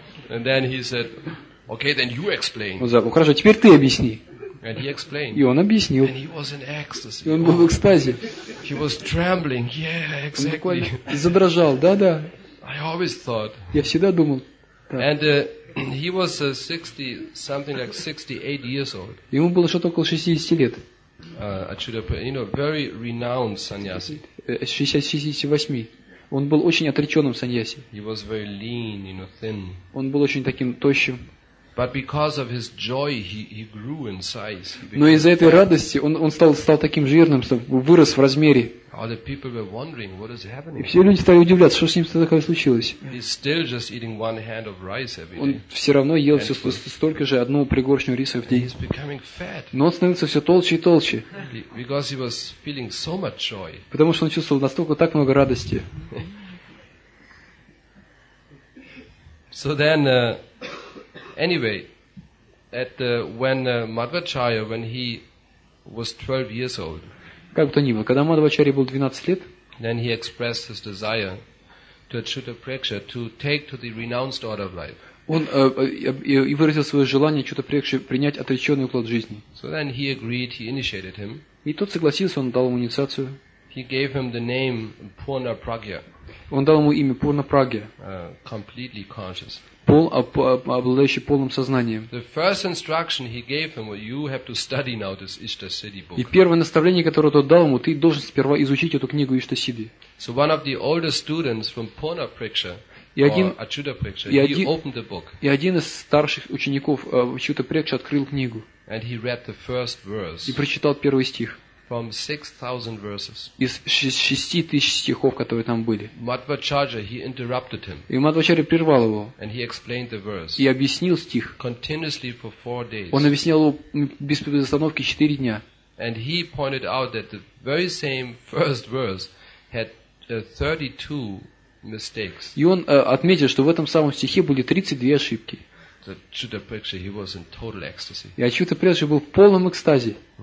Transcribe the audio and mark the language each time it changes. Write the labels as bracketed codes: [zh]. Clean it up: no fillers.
[en] And then he said, "Okay, then you explain." [ru] Он сказал, хорошо, теперь ты объясни. [en] And he explained. [ru] И он объяснил. [en] And he was in ecstasy. [ru] И он был в экстазе. [en] He was trembling. Yeah, exactly. [ru] Задрожал, да. [en] I always thought. [ru] Я всегда думал. [en] And he was 60 something like 68 years old. [ru] Ему было что-то около 60 лет. [en] Very renowned sannyasi. 68. [ru] Он был очень отреченным саньяси. [en] He was very lean, you know, thin. [ru] Он был очень таким тощим. [en] But because of his joy, he grew in size. [ru] Но из-за этой радости он стал таким жирным, что вырос в размере. [en] All the people were wondering what is happening. [ru] И все люди стали удивляться, что с ним такое случилось. [en] He's still just eating one hand of rice every day. [ru] Он все равно ел все столько же одну пригоршню риса в день. [en] He's becoming fat. [ru] Но он становился все толще и толще. [en] Because he was feeling so much joy. [ru] Потому что он чувствовал настолько так много радости. [en] So then, anyway, at when Madhvacharya, when he was 12 years old. [ru] Как то ни было, когда Мадхвачарья был 12 лет, [en] then he expressed his desire to Achyuta Preksha to take to the renounced order of life. [ru] Он и выразил свое желание Achyuta Preksha принять отреченный уклад жизни. [en] So then he agreed, he initiated him. [ru] И тот согласился, он дал ему инициацию. [en] He gave him the name Purna Pragya. [ru] Он дал ему имя Пурна Прагья. [en] Completely conscious. [ru] Обладающий полным сознанием. [en] The first instruction he gave him was, you have to study now this Easter Siddhi book. [ru] И первое наставление, которое тот дал ему, ты должен сперва изучить эту книгу Ishta Siddhi. [en] So one of the oldest students from Purna Preksha. [ru] И один из старших учеников Ачюта Прекша открыл книгу. И прочитал первый стих. [en] From 6,000 verses. [ru] Из 6,000 стихов, которые там были. [en] Мадхвачарья, he interrupted him. [ru] И Мадхвачарья прервал его. [en] And he explained the verse. [ru] И объяснил стих. [en] Continuously for 4 days. [ru] Он объяснял его без остановки 4 дня. [en] And he pointed out that the very same first verse had 32 mistakes. [ru] И он отметил, что в этом самом стихе были 32 ошибки. [en] So Ачюта Прекша, he was in total ecstasy. [ru] И Ачюта Прекша был в полном экстазе.